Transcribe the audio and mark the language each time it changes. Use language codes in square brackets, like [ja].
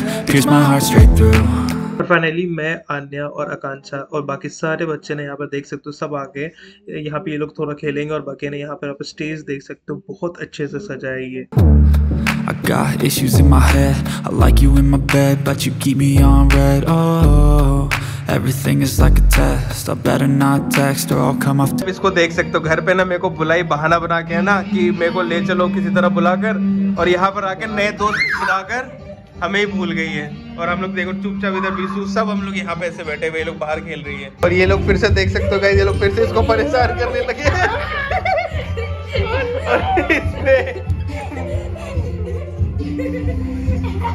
[hi] Finally मैं आन्या और आकांक्षा और बाकी सारे बच्चे ने यहाँ पर देख सकते हो सब आ गए यहाँ पे, ये लोग थोड़ा खेलेंगे। और बाकी ने यहाँ पर आप स्टेज देख सकते हो बहुत अच्छे से सजाई है। [en] I got issues in my head, I like you in my bed, but you keep me on red, oh, everything is like a test, I better not text or I'll come off. [hi] इसको देख सकते हो घर पे ना मेरे को बुलाई, बहाना बना के है ना कि मेरे को ले चलो किसी तरह बुलाकर, और यहाँ पर आके नए दोस्त बुलाकर हमें ही भूल गई है। और हम लोग देखो चुपचाप इधर बिसू सब हम लोग यहाँ पे ऐसे बैठे हुए, ये लोग बाहर खेल रही है। और ये लोग फिर से देख सकते हो गाइस, ये लोग फिर से इसको परेशान करने लगे।